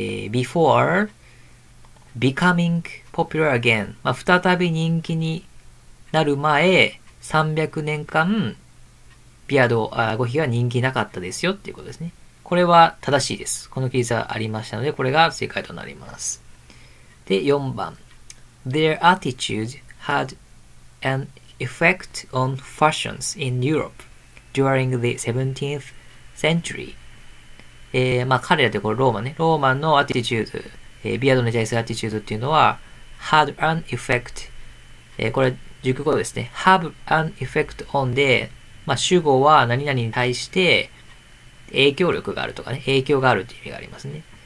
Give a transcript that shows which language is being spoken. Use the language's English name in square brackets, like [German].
[English] before becoming popular again。 [Japanese] まあ、再び人気になる前、300年間、ビアド、あごひげは人気なかったですよっていうことですね。これは正しいです。この記述はありましたので、これが正解となります。で、4番。 [English] Their attitude had an effect on fashions in Europe during the 17th century. [Japanese] まあ、彼らってこれローマね。ローマのアティチュード、ビアドに対するアティチュードっていうのは、 [English] had an effect。 [Japanese] これ、熟語ですね。 [English] have an effect on [Japanese] で、まあ、主語は何々に対して、影響力があるとかね、影響があるっていう意味がありますね。